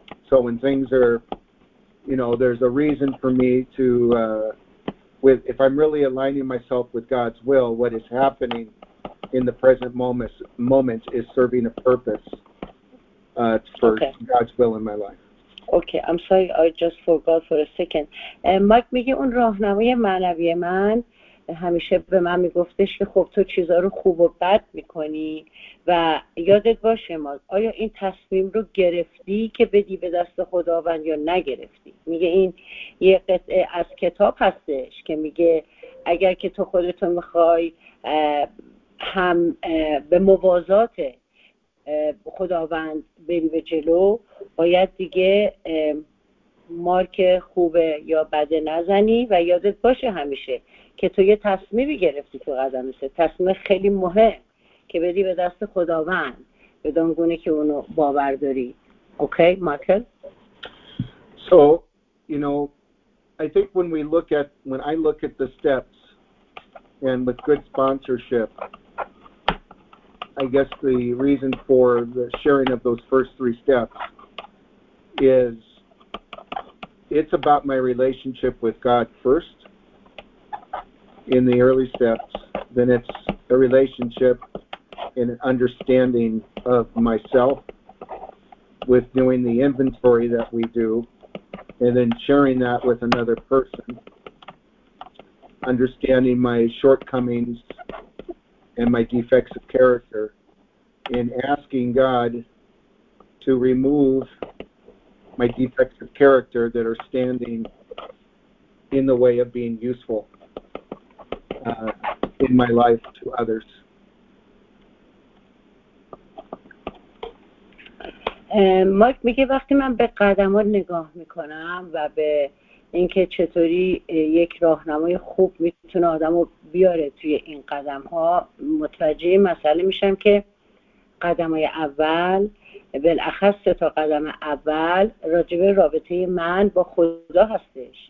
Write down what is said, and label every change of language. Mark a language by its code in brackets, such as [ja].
[en] So when things are, you know, there's a reason for me to, if I'm really aligning myself with God's will, what is happening in the present moment is serving a purpose. Okay. God's will in my life. Okay, I'm sorry, I just forgot for a second. [fa] Mike میگه اون راهنمای معنوی من همیشه به من میگفتش که خب تو چیزها رو خوب و بد میکنی و یادت باشه مایک، آیا این تصمیم رو گرفتی که بدی به دست خداوند یا نگرفتی؟ میگه این یه قطعه از کتاب هستش که میگه اگر که تو خودتو میخوای هم به موازاته خداوند بری به جلو، باید دیگه مارک خوبه یا بده نزنی. و یادت باشه همیشه که تو یه تصمیمی گرفتی تو قدم سه، تصمیم خیلی مهم که بدی به دست خداوند بدون گونه که اونو باور داری. [en] Okay, Michael. So, you know, I think when we look at, when I look at the steps and with good sponsorship, I guess the reason for the sharing of those first three steps is it's about my relationship with God first in the early steps, then it's a relationship and an understanding of myself with doing the inventory that we do, and then sharing that with another person, understanding my shortcomings and my defects of character, and asking God to remove my defects of character that are standing in the way of being useful in my life to others. [fa] مایک میگه وقتی من به قدم‌ها نگاه میکنم و به اینکه چطوری یک راهنمای خوب میتونه آدمو بیاره توی این قدم‌ها، متوجه مسئله میشم که قدم‌های اول، بالاخص سه تا قدم اول، راجبه رابطه من با خدا هستش.